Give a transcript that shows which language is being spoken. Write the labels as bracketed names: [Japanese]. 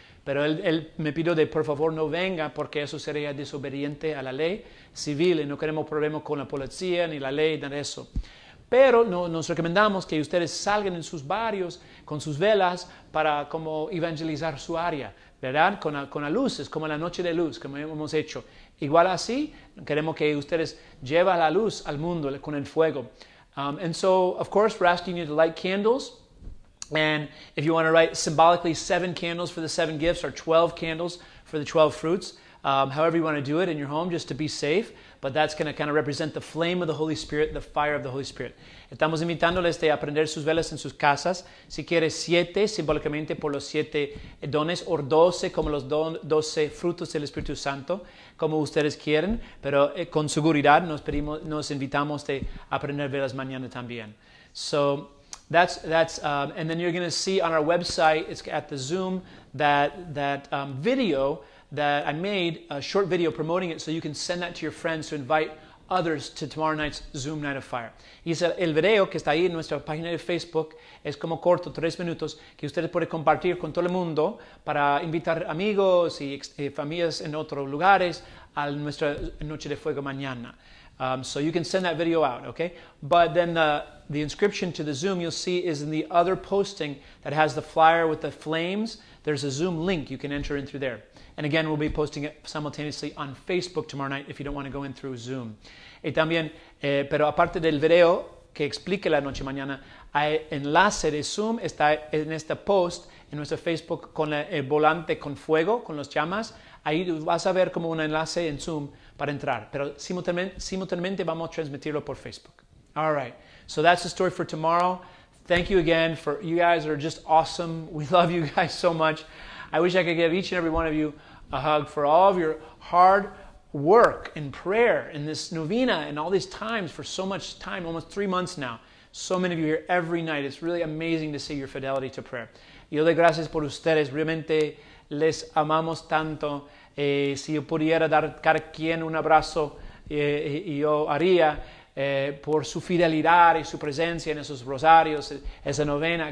[Spanish] Pero él me pidió de por favor no venga porque eso sería desobediente a la ley civil y no queremos problemas con la policía ni la ley ni eso. Pero no, nos recomendamos que ustedes salgan en sus barrios con sus velas para como evangelizar su área, ¿verdad? Con las luces, como la noche de luz, como hemos hecho. Igual así, queremos que ustedes lleven la luz al mundo con el fuego. [English] And so, of course, we're asking you to light candles. And if you want to write symbolically 7 candles for the 7 gifts or 12 candles for the 12 fruits, however you want to do it in your home, just to be safe. But that's going to kind of represent the flame of the Holy Spirit, the fire of the Holy Spirit. [Spanish] Estamos invitándoles a prender sus velas en sus casas. Si quieres 7, simbólicamente por los 7 dones, o 12 como los 12 frutos del Espíritu Santo, como ustedes quieren. Pero con seguridad nos invitamos a prender velas mañana también. [English] So That's and then you're going to see on our website, it's at the Zoom, that video that I made, a short video promoting it, so you can send that to your friends to invite others to tomorrow night's Zoom Night of Fire. [Spanish] Y el video que está ahí en nuestra página de Facebook es como corto, 3 minutos, que ustedes pueden compartir con todo el mundo para invitar amigos y familias en otros lugares a nuestra Noche de Fuego mañana. [English] So you can send that video out, okay? But then the inscription to the Zoom you'll see is in the other posting that has the flyer with the flames. There's a Zoom link you can enter in through there. And again, we'll be posting it simultaneously on Facebook tomorrow night if you don't want to go in through Zoom. [Spanish] Y también, pero aparte del video que explique la noche mañana, el enlace de Zoom está en este post en nuestro Facebook con el volante con fuego, con las llamas. Ahí vas a ver como un enlace en Zoom para entrar, pero simultáneamente vamos a transmitirlo por Facebook. [English] All right, so that's the story for tomorrow. Thank you again. You guys are just awesome. We love you guys so much. I wish I could give each and every one of you a hug for all of your hard work and prayer in this novena and all these times, for so much time, almost 3 months now. So many of you here every night. It's really amazing to see your fidelity to prayer. [Spanish] Yo doy gracias por ustedes. Realmente les amamos tanto. Si yo pudiera dar cada quien un abrazo, yo haría por su fidelidad y su presencia en esos rosarios, esa novena.